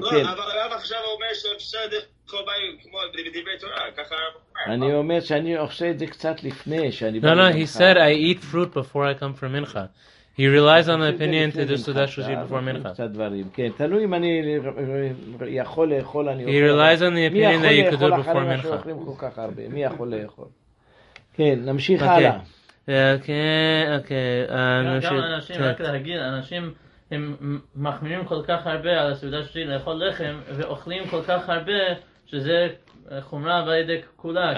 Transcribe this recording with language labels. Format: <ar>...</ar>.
<he>לא, אבל הרב עכשיו אומר שאפשר דרך כמו בדברי תורה, ככה... אני אומר שאני עושה את זה קצת לפני, שאני... לא,</he> <en>he said, I eat fruit before I come from Mincha. He relies on the opinion to do Seudah Shlishit before Mincha.</en> <he>קצת דברים, כן. תלוי אם אני יכול לאכול, אני אוכל...</he> <en>He relies on the opinion that you could do before Mincha.</en> <he>מי יכול לאכול אחרי מה שאוכלים כל כך הרבה? מי יכול לאכול? כן, נמשיך הלאה. אוקיי, נמשיך. גם אנשים, רק להגיד, אנשים הם מחמירים כל כך הרבה על הסעודה שלי לאכול לחם, ואוכלים כל כך הרבה שזה חומרה בידי כולה.</he>